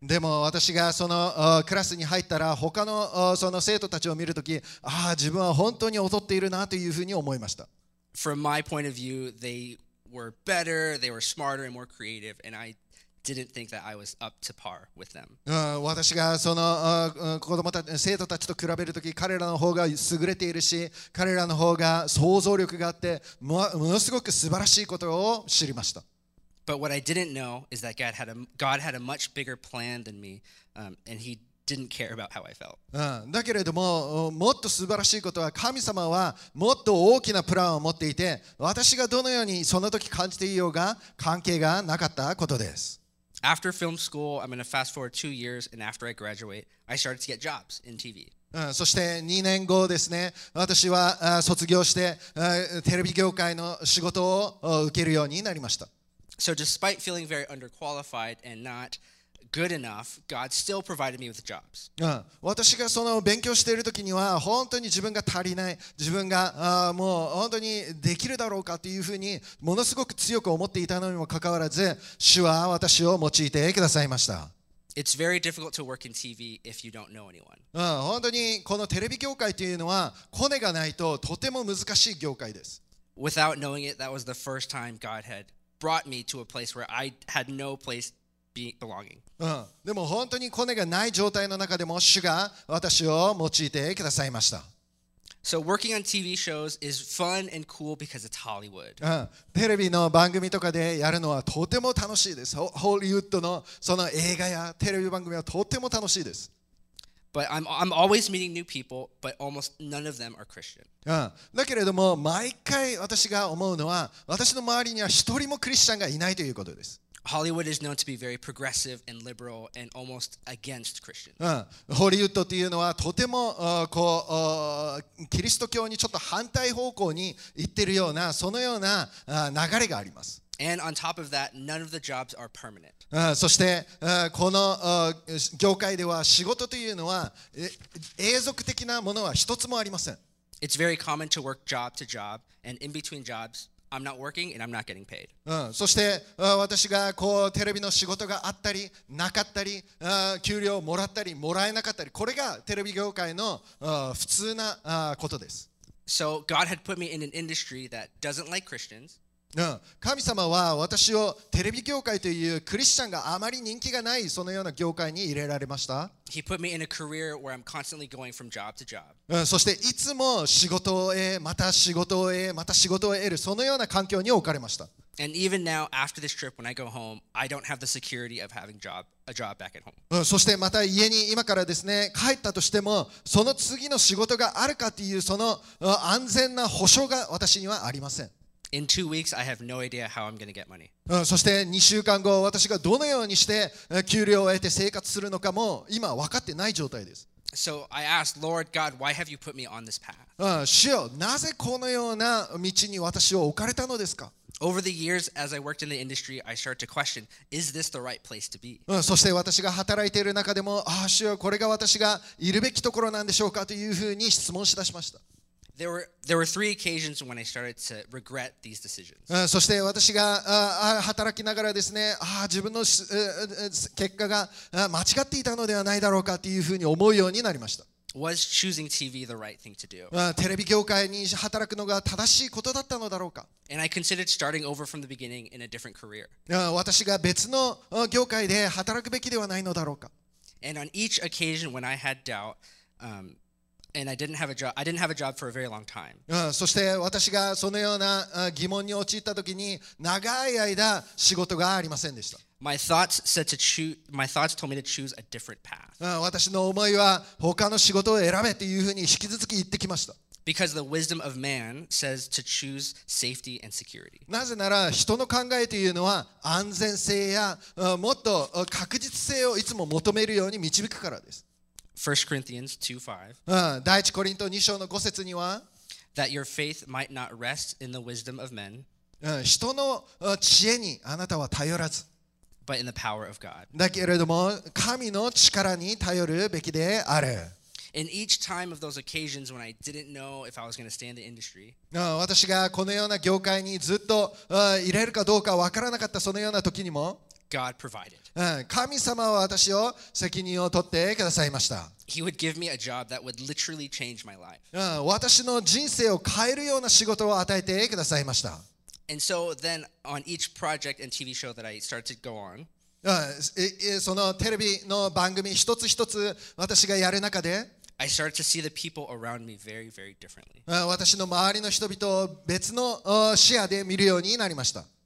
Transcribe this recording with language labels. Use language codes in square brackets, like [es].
[ja] でも私がそのクラスに入ったら他のその生徒たちを見るとき、ああ自分は本当に劣っているなというふうに思いました。 [en] From my point of view, they were better, they were smarter and more creative, and I didn't think that I was up to par with them. [ja] 私がその子供たち、生徒たちと比べるとき、彼らの方が優れているし、彼らの方が想像力があって、ものすごく素晴らしいことを知りました。 [en] But what I didn't know is that God had a much bigger plan than me, and he didn't care about how I felt. [ja] だけれども、もっと素晴らしいことは、神様はもっと大きなプランを持っていて、私がどのようにその時感じていようが、関係がなかったことです。 [en] After film school, I'm going to fast forward 2 years, and after I graduate, I started to get jobs in TV. [ja] そして2年後ですね、私は卒業して、テレビ業界の仕事を受けるようになりました。 [en] So despite feeling very underqualified and not good enough, God still provided me with jobs. [ja] 私がその勉強している時には、本当に自分が足りない、自分がもう本当にできるだろうかというふうにものすごく強く思っていたのにもかかわらず、主は私を用いてくださいました。 [en] It's very difficult to work in TV if you don't know anyone. [ja] 本当にこのテレビ業界というのは、コネがないととても難しい業界です。 [en] Without knowing it, that was the first time God had brought me to a place where I had no place belonging. [ja] でも本当にコネがない状態の中でも主が私を用いてくださいました。 [en] So working on TV shows is fun and cool because it's Hollywood. [ja] テレビの番組とかでやるのはとても楽しいです。ホリウッドのその映画やテレビ番組はとても楽しいです。 [en] But I'm always meeting new people, but almost none of them are Christian. [ja] だけれども毎回私が思うのは私の周りには一人もクリスチャンがいないということです。 [en] Hollywood is known to be very progressive and liberal and almost against Christians. [ja] ホリウッドというのはとてもこうキリスト教にちょっと反対方向に行ってるようなそのような流れがあります。 [en] And on top of that, none of the jobs are permanent. [ja] そしてこの業界では仕事というのは永続的なものは一つもありません。 [en] It's very common to work job to job and in between jobs. I'm not working and I'm not getting paid. [ja] そして私がこうテレビの仕事があったりなかったり、給料をもらったりもらえなかったり、これがテレビ業界の普通なことです。 [en] So God had put me in an industry that doesn't like Christians. [ja] 神様は私をテレビ業界というクリスチャンがあまり人気がないそのような業界に入れられました。 [en] He put me in a career where I'm constantly going from job to job. [ja] そしていつも仕事を得、また仕事を得、また仕事を得るそのような環境に置かれました。 [en] And even now, after this trip, when I go home, I don't have the security of having a job back at home. [ja] そしてまた家に今からですね、帰ったとしても、その次の仕事があるかっていうその安全な保証が私にはありません。 [en] In 2 weeks, I have no idea how I'm going to get money. [ja] そして2週間後、私がどのようにして給料を得て生活するのかも今分かってない状態です。 [en] So I asked, Lord God, why have you put me on this path? [ja] 主よ、なぜこのような道に私を置かれたのですか？ [en] Over the years, as I worked in the industry, I started to question, is this the right place to be? [ja] そして私が働いている中でも、ああ、主よ、これが私がいるべきところなんでしょうかというふうに質問しだしました。 [en] There were three occasions when I started to regret these decisions. [ja] そして私が働きながらですね、ああ、自分の結果が間違っていたのではないだろうかというふうに思うようになりました。 [en] Was choosing TV the right thing to do? [ja] テレビ業界に働くのが正しいことだったのだろうか。 [en] And I considered starting over from the beginning in a different career. [ja] 私が別の業界で働くべきではないのだろうか。 [en] And on each occasion when I had doubt, and I didn't have a job for a very long time. [ja] そして私がそのような疑問に陥った時に長い間仕事がありませんでした。 [en] My thoughts told me to choose a different path. [ja] 私の思いは他の仕事を選べというふうに引き続き言ってきました。 [en] Because the wisdom of man says to choose safety and security. [ja] なぜなら人の考えというのは安全性やもっと確実性をいつも求めるように導くからです。 [en] 1 Corinthians 2:5. [ja] 第一コリント2章の5節には、 [en] That your faith might not rest in the wisdom of men. [ja] 人の知恵にあなたは頼らず。 [en] But in the power of God. [ja] だけれども神の力に頼るべきである。 [en] In each time of those occasions when I didn't know if I was going to stay in the industry, [ja] 私がこのような業界にずっと入れるかどうかわからなかったそのような時にも、 [en] God provided. [ja] 神様は私を責任を取ってくださいました。 [en] He would give me a job that would literally change my life. [ja] 私の人生を変えるような仕事を与えてくださいました。 [en] And so then on each project and TV show that I started to go on, [ja] そのテレビの番組一つ一つ私がやる中で、 [en] I started to see the people around me very, very differently. [ja] 私の周りの人々を別の視野で見るようになりました。